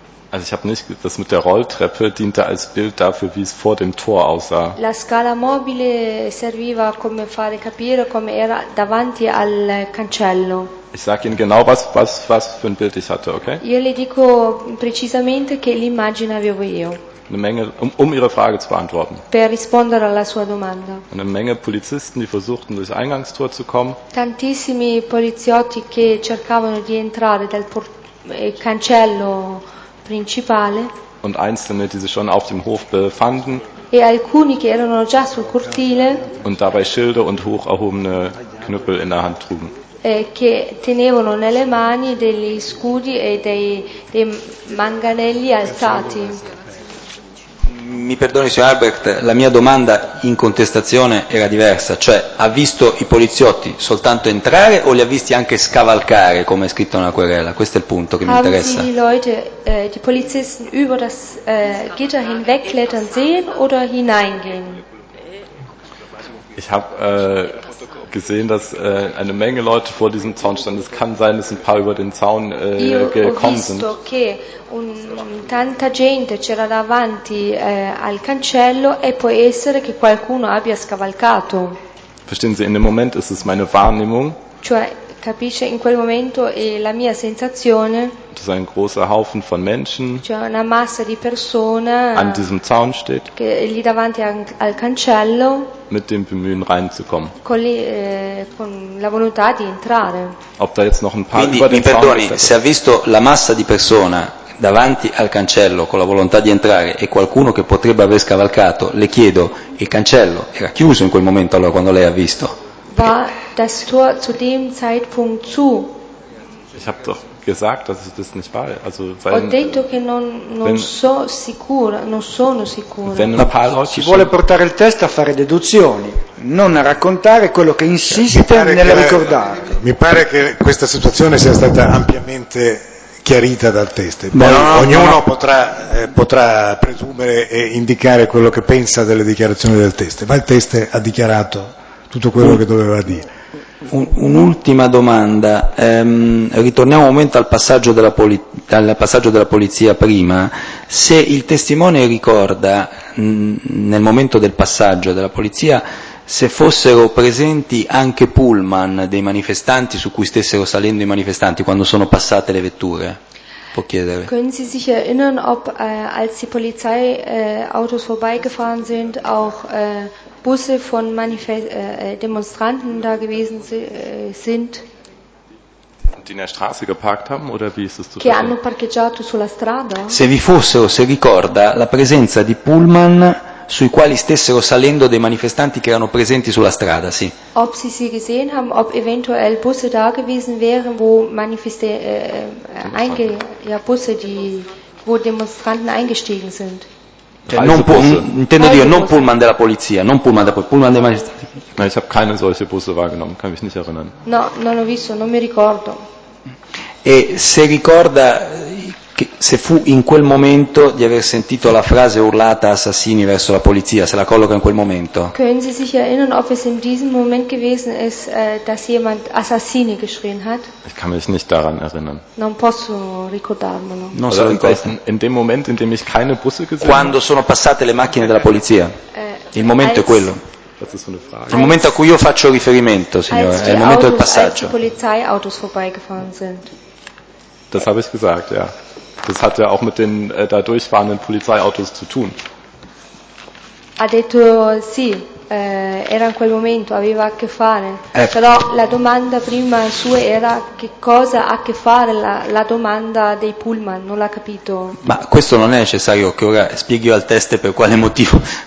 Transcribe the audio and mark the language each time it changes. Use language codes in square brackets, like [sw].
[de] Also ich habe nicht, das mit der Rolltreppe diente als Bild dafür, wie es vor dem Tor aussah. [it] La scala mobile serviva come fare capire come era davanti al cancello. [de] Ich sage Ihnen genau, was für ein Bild ich hatte, okay? [it] Io le dico precisamente che l'immagine avevo io. [de] Eine Menge, um Ihre Frage zu beantworten. [it] Per rispondere alla sua domanda. [de] Eine Menge Polizisten, die versuchten, durchs Eingangstor zu kommen. [it] Tantissimi poliziotti che cercavano di entrare dal cancello principale. [de] Und einzelne, die sich schon auf dem Hof befanden. [it] E alcuni che erano già sul cortile. [de] Und dabei Schilde und hoch erhobene Knüppel in der Hand trugen. [it] Che tenevano nelle mani degli scudi e dei manganelli alzati. Mi perdoni, signor Albrecht, la mia domanda in contestazione era diversa, cioè ha visto i poliziotti soltanto entrare o li ha visti anche scavalcare, come è scritto nella querela? Questo è il punto che mi interessa. [de] Haben Sie die Leute, die Polizisten über das Gitter hinwegklettern sehen oder hineingehen? Ich habe gesehen, dass eine Menge Leute vor diesem Zaun standen. Es kann sein, dass ein paar über den Zaun gekommen sind. [it] Io ho visto che tanta gente c'era davanti al cancello e può essere che qualcuno abbia scavalcato. [de] Verstehen Sie, in dem Moment ist es meine Wahrnehmung. [it] Cioè, capisce, in quel momento è la mia sensazione. [de] Das ist ein großer Haufen von Menschen. [it] Cioè, una massa di persone. [de] An diesem Zaun steht. [it] Che lì davanti al cancello. [de] Mit dem Bemühen reinzukommen. [it] Con la volontà di entrare. [de] Ob da jetzt noch ein paar [it] quindi, [de] über den [it] mi perdoni, [de] Zaun steht. [it] Se ha visto la massa di persone davanti al cancello con la volontà di entrare e qualcuno che potrebbe aver scavalcato, le chiedo, il cancello era chiuso in quel momento allora quando lei ha visto? [de] War das Tor zu dem Zeitpunkt zu? Ich habe doch gesagt, dass ich das nicht war. Also, weil, [it] ho detto che non sono sicuro. Ci vuole portare il test a fare deduzioni, non a raccontare quello che insiste nel ricordare. Mi pare che questa situazione sia stata ampiamente chiarita dal test. Ognuno potrà presumere e indicare quello che pensa delle dichiarazioni del test, ma il test ha dichiarato tutto quello che doveva dire. Un'ultima domanda, ritorniamo un momento al passaggio della polizia prima. Se il testimone ricorda, nel momento del passaggio della polizia, se fossero presenti anche pullman dei manifestanti su cui stessero salendo i manifestanti quando sono passate le vetture? Può chiedere. [de] Können Sie sich erinnern, ob als die Polizei Autos vorbeigefahren sind, auch Busse von Demonstranten da gewesen sind? Die in der Straße geparkt haben oder wie ist es zu [it] che hanno parcheggiato sulla strada? Se vi fossero, se ricorda, la presenza di pullman sui quali stessero salendo dei manifestanti che erano presenti sulla strada, sì. [de] Ob sie sie gesehen haben, ob eventuell Busse da gewesen wären, wo Manifeste Busse, wo Demonstranten eingestiegen sind. [it] Cioè, non intendo dire non pullman della polizia, non pullman della polizia, pullman dei magistrati. [de] No, ich habe keinen solche Busse wahrgenommen, kann mich nicht erinnern. [it] No, non ho visto, non mi ricordo. E se ricorda che, se fu in quel momento di aver sentito la frase urlata assassini verso la polizia, se la colloca in quel momento? [de] Können Sie sich erinnern, ob es in diesem Moment gewesen ist, dass jemand assassini geschrien hat? Ich kann mich nicht daran erinnern. [it] Non posso ricordarmelo. Non so ricordo. [de] In dem Moment, in dem ich keine Busse gesehen. [it] Quando sono passate le macchine della polizia? Il momento è quello. [de] Das ist so eine Frage. [it] Il momento a cui io faccio riferimento, signore, è il momento del passaggio. [de] Als die Polizeiautos vorbeigefahren sind. Das habe ich gesagt, ja. Das hat ja auch mit den da durchfahrenden Polizeiautos zu tun. [it] Ha detto sì, era in quel momento, aveva a che fare. Però la domanda prima sua era che cosa ha a che fare la domanda dei pullman, non l'ha capito. Ma questo non è necessario che ora spieghi al test per quale motivo.